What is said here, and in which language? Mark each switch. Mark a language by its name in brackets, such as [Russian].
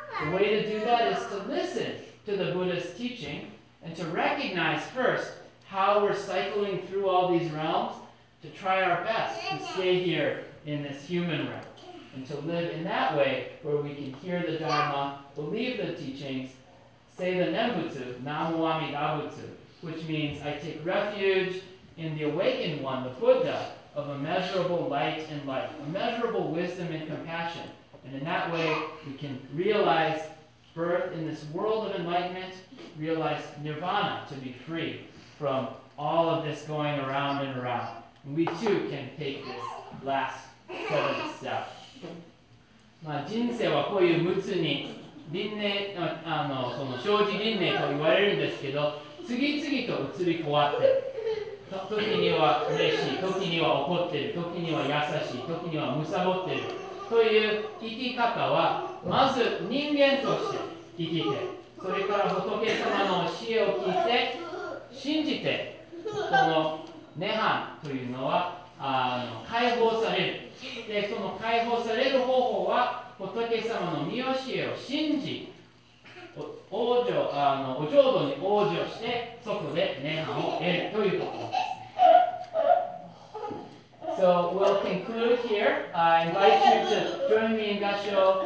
[English] The way to do that is to listen to the Buddha's teaching and to recognize first how we're cycling through all these realms, to try our best to stay here in this human realm and to live in that way where we can hear the Dharma, believe the teachings, say the Nembutsu, Namo Amida Butsu, which means I take refuge in the awakened one, the Buddha, of immeasurable light and life, immeasurable wisdom and compassion. And in that way, we can realize birth in this world of enlightenment, realize nirvana, to be free from all of this going around and around. And we too can take this last seventh step. [Japanese] まあ人生はこういう陸に輪廻、この生じ輪廻と言われるんですけど、次々と移り変わって、 時には嬉しい、時には怒ってる、時には優しい、時には貪ってる。という生き方はまず人間として生きて、それから仏様の教えを聞いて信じて、この涅槃というのは解放される。で、その解放される方法は仏様の御教えを信じ、お浄土に往生して、そこで涅槃を得るということ。 [English] So we'll conclude here. I invite you to join me in Gassho.